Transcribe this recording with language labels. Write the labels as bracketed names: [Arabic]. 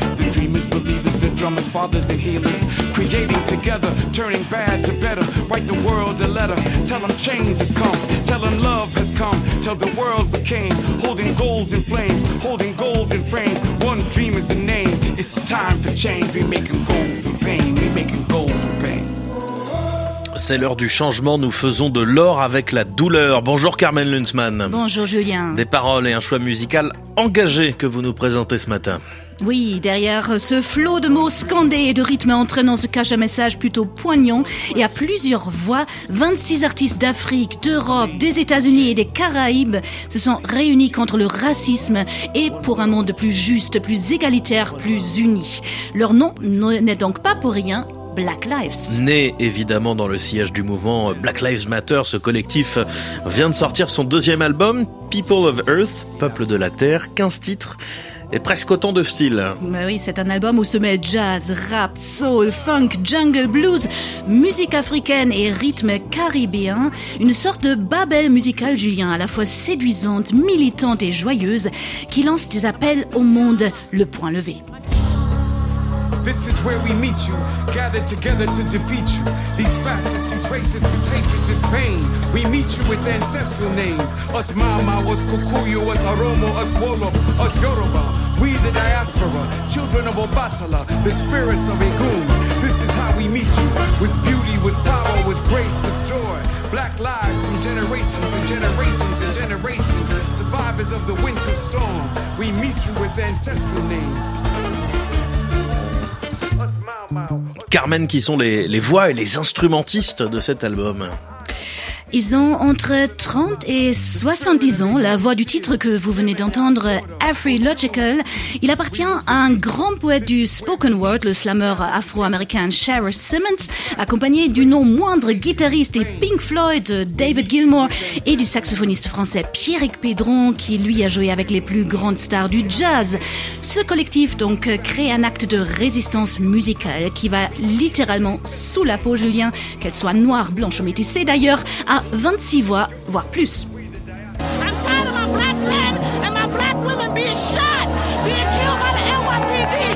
[English] The dreamers, believers, the drummers, fathers and healers, creating together, turning bad to better, write the world a letter, tell them change has come, tell them love has come, tell the world we came, holding golden flames, holding golden frames, one dream is the name, it's time for change, we making gold from pain, we making gold from pain. [French] C'est l'heure du changement, nous faisons de l'or avec la douleur. Bonjour Carmen Lunzmann. Bonjour Julien. Des paroles et un choix musical engagé que vous nous présentez ce matin. Oui, derrière ce flot de mots scandés et de rythmes entraînants se cache un message plutôt poignant. Et à plusieurs voix, 26 artistes d'Afrique, d'Europe, des États-Unis et des Caraïbes se sont réunis contre le racisme et pour un monde plus juste, plus égalitaire, plus uni. Leur nom n'est donc pas pour rien. Black Lives. Né évidemment dans le sillage du mouvement Black Lives Matter, ce collectif vient de sortir son deuxième album, People of Earth, Peuple de la Terre, 15 titres et presque autant de styles. Mais oui, c'est un album où se mêlent jazz, rap, soul, funk, jungle, blues, musique africaine et rythme caribéen. Une sorte de Babel musical, Julien, à la fois séduisante, militante et joyeuse, qui lance des appels au monde, le point levé. [English] This is where we meet you, gathered together to defeat you. These fascists, these racists, this hatred, this pain. We meet you with ancestral names. Us Mama, us Kukuyu, us Oromo, us Wolof, us Yoruba. We the diaspora, children of Obatala, the spirits of Egun. This is how we meet you, with beauty, with power, with grace, with joy. Black lives from generation to generation to generation. Survivors of the winter storm, we meet you with ancestral names. [French] Carmen, qui sont les voix et les instrumentistes de cet album? Ils ont entre 30 et 70 ans. La voix du titre que vous venez d'entendre, Afri Logical, il appartient à un grand poète du spoken word, le slammer afro-américain Sharer Simmons, accompagné du non moindre guitariste et Pink Floyd, David Gilmour, et du saxophoniste français Pierrick Pédron, qui lui a joué avec les plus grandes stars du jazz. Ce collectif donc crée un acte de résistance musicale qui va littéralement sous la peau, Julien, qu'elle soit noire, blanche ou métissée d'ailleurs, à 26 voix, voire plus. [English] I'm tired of my black men and my black women being shot, being killed by the NYPD.